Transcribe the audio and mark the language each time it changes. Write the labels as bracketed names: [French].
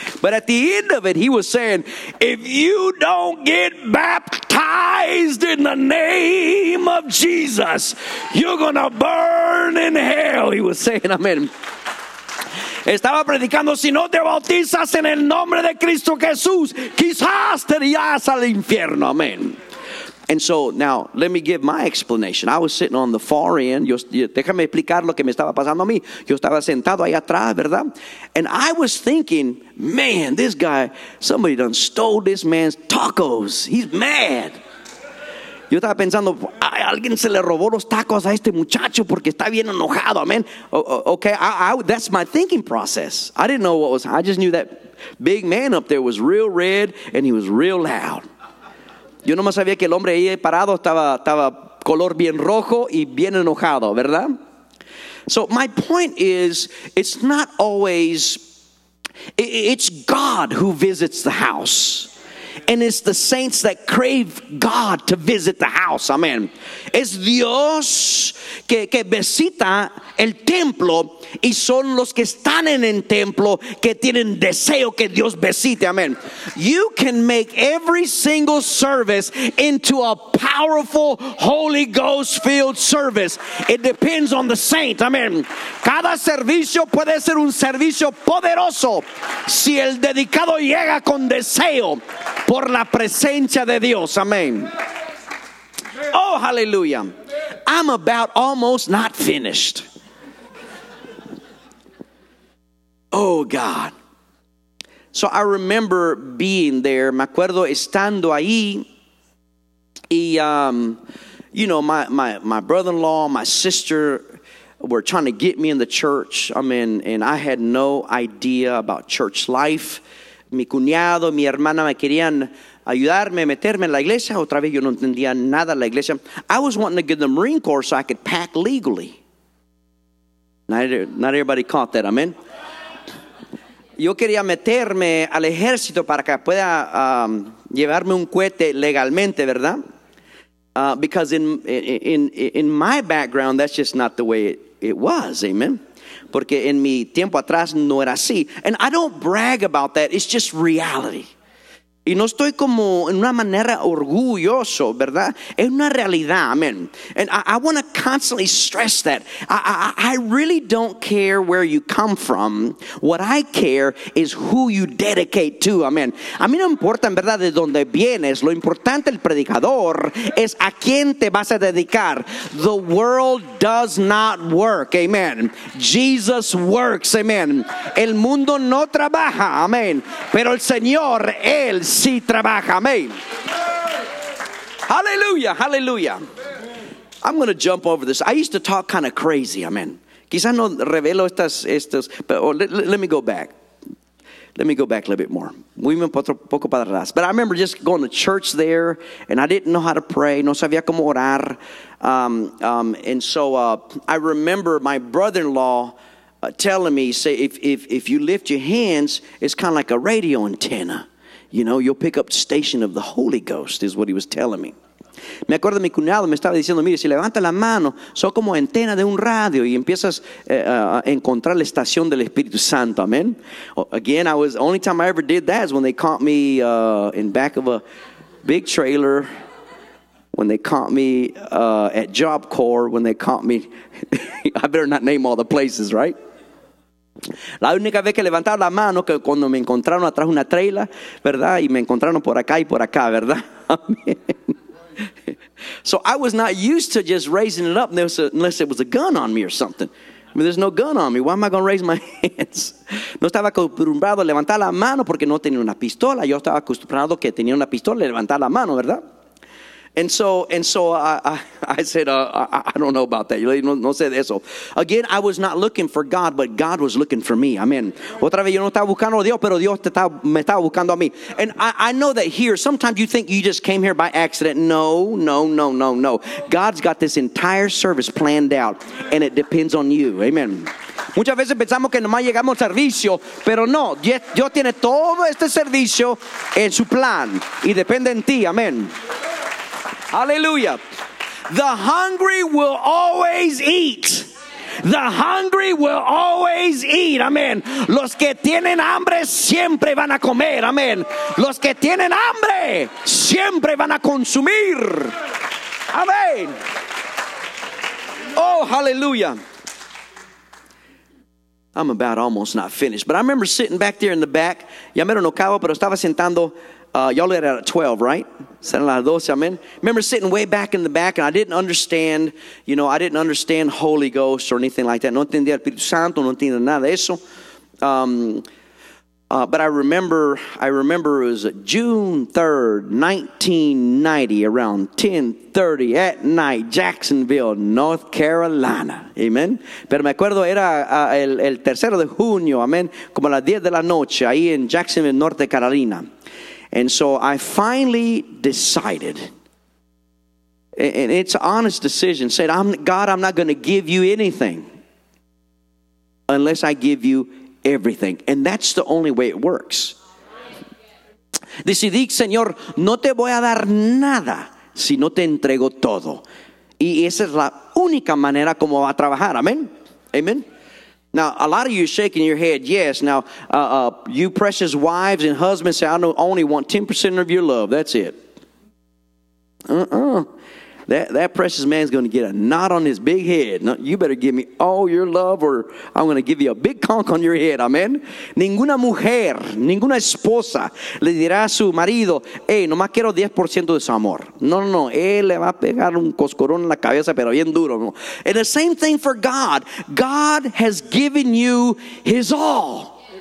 [English] But at the end of it, he was saying, if you don't get baptized in the name of Jesus, you're going to burn in hell, he was saying, amen. [Spanish] Estaba predicando, si no te bautizas en el nombre de Cristo Jesús, quizás te irás al infierno, amen. [English] And so now, let me give my explanation. I was sitting on the far end. [Spanish] Déjame explicar lo que me estaba pasando a mí. Yo estaba sentado ahí atrás, ¿verdad? [English] And I was thinking, man, this guy, somebody done stole this man's tacos. He's mad. [Spanish] Yo estaba pensando, alguien se le robó los tacos a este muchacho porque está bien enojado, amen. [English] Okay, that's my thinking process. I didn't know what was, I just knew that big man up there was real red and he was real loud. [Spanish] Yo no más sabía que el hombre ahí parado estaba color bien rojo y bien enojado, ¿verdad? [English] So my point is, it's not always, it's God who visits the house. And it's the saints that crave God to visit the house, amen. [Spanish] Es Dios que visita el templo y son los que están en el templo que tienen deseo que Dios visite, amen. [English] You can make every single service into a powerful Holy Ghost filled service. It depends on the saint, amen. [Spanish] Cada servicio puede ser un servicio poderoso si el dedicado llega con deseo por la presencia de Dios, amen. [English] Oh, hallelujah. I'm about almost not finished. Oh, God. So I remember being there. [Spanish] Me acuerdo estando ahí. [English] Y, you know, my brother-in-law, my sister were trying to get me in the church. I mean, and I had no idea about church life. [Spanish] Mi cuñado, mi hermana me querían ayudarme, meterme en la iglesia. Otra vez yo no entendía nada de la iglesia. [English] I was wanting to get the Marine Corps so I could pack legally. Not everybody caught that, amen. [Spanish] Yo quería meterme al ejército para que pueda llevarme un cohete legalmente, ¿verdad? [English] Because in my background, that's just not the way it was, amen. [Spanish] Porque en mi tiempo atrás no era así. [English] And I don't brag about that, it's just reality. [Spanish] Y no estoy como en una manera orgulloso, ¿verdad? Es una realidad, amen. [English] And I want to constantly stress that. I really don't care where you come from. What I care is who you dedicate to, amen. [Spanish] A mí no importa, ¿verdad?, de dónde vienes. Lo importante, el predicador, es a quién te vas a dedicar. [English] The world does not work, amen. Jesus works, amen. [Spanish] El mundo no trabaja, amen. Pero el Señor, Él sí trabaja, amen. [English] Hallelujah, hallelujah. I'm going to jump over this. I used to talk kind of crazy, amen. [Spanish] Quizá no revelo estas, [English] but let me go back. Let me go back a little bit more. [Spanish] Voy un poco para atrás. [English] But I remember just going to church there, and I didn't know how to pray. [Spanish] No sabía cómo orar. [English] I remember my brother-in-law telling me, say, if you lift your hands, it's kind of like a radio antenna. You know, you'll pick up the station of the Holy Ghost, is what he was telling me. [Spanish] Me acuerdo de mi cuñado, me estaba diciendo, mire, si levanta la mano, son como antena de un radio y empiezas a encontrar la estación del Espíritu Santo, amen. [English] Again, I was, the only time I ever did that is when they caught me in back of a big trailer, when they caught me at Job Corps, when they caught me, I better not name all the places, right? [Spanish] La única vez que levantaron la mano que cuando me encontraron atrás una trailer, ¿verdad? Y me encontraron por acá y por acá, ¿verdad? [English] So I was not used to just raising it up unless it was a gun on me or something. I mean, there's no gun on me. Why am I going to raise my hands? [Spanish] No estaba acostumbrado a levantar la mano porque no tenía una pistola. Yo estaba acostumbrado que tenía una pistola y levantar la mano, ¿verdad? [English] And so I said, I don't know about that. [Spanish] No sé de eso. [English] Again, I was not looking for God, but God was looking for me. Amen. [Spanish] Otra vez, yo no estaba buscando a Dios, pero Dios me estaba buscando a mí. [English] And I know that here, sometimes you think you just came here by accident. No. God's got this entire service planned out, and it depends on you. Amen. [Spanish] Muchas veces pensamos que nomás llegamos al servicio, pero no. Dios tiene todo este servicio en su plan, y depende en ti. Amen. [English] Hallelujah. The hungry will always eat. The hungry will always eat. Amen. [Spanish] Los que tienen hambre siempre van a comer. Amen. Los que tienen hambre siempre van a consumir. [English] Amen. Oh, hallelujah. I'm about almost not finished. But I remember sitting back there in the back. [Spanish] Ya me lo no acabo, pero estaba sentando. [English] Y'all let out at 12, right? [Spanish] Son las 12, amen. [English] Remember sitting way back in the back, and I didn't understand Holy Ghost or anything like that. [Spanish] No entendía el Espíritu Santo, no entendía nada de eso. [English] But I remember it was June 3rd, 1990, around 10:30 at night, Jacksonville, North Carolina. Amen. [Spanish] Pero me acuerdo, era el tercero de junio, amen, como a las 10 de la noche, ahí en Jacksonville, North Carolina. [English] And so I finally decided, and it's an honest decision, said, God, I'm not going to give you anything unless I give you everything. And that's the only way it works. [Spanish] Decidí, Señor, no te voy a dar nada si no te entrego todo. Y esa es la única manera como va a trabajar. Amen. Amen. [English] Now, a lot of you are shaking your head, yes. Now, you precious wives and husbands say, I only want 10% of your love. That's it. That precious man's going to get a knot on his big head. No, you better give me all your love or I'm going to give you a big conk on your head. Amen. [Spanish] Ninguna mujer, ninguna esposa le dirá a su marido, hey, nomás quiero 10% de su amor. No. Él le va a pegar un coscorón en la cabeza, pero bien duro. [English] And the same thing for God. God has given you his all.